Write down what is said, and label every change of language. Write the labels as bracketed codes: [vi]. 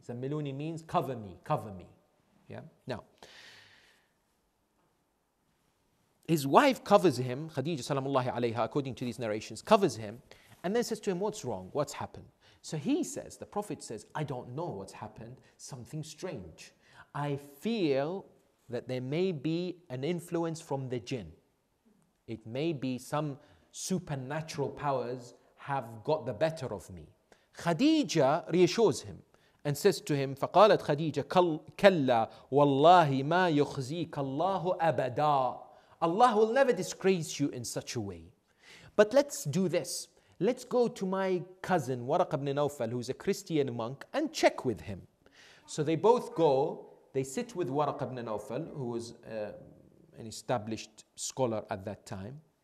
[en] زَمِّلُونِي means cover me. Yeah. Now, his wife covers him, Khadija salamullahi alayha, according to these narrations, covers him, and then says to him, what's wrong? What's happened? So he says, the Prophet says, I don't know what's happened, something strange. I feel that there may be an influence from the jinn. It may be some supernatural powers have got the better of me. Khadija reassures him and says to him, [ar] فَقَالَتْ خَدِيجَ كَلَّا وَاللَّهِ مَا يُخْزِيكَ اللَّهُ أَبَدًا. [en] Allah will never disgrace you in such a way. But let's do this. Let's go to my cousin, Waraq ibn Nawfal, who's a Christian monk, and check with him. So they both go. They sit with Waraq ibn Nawfal, who was an established scholar at that time.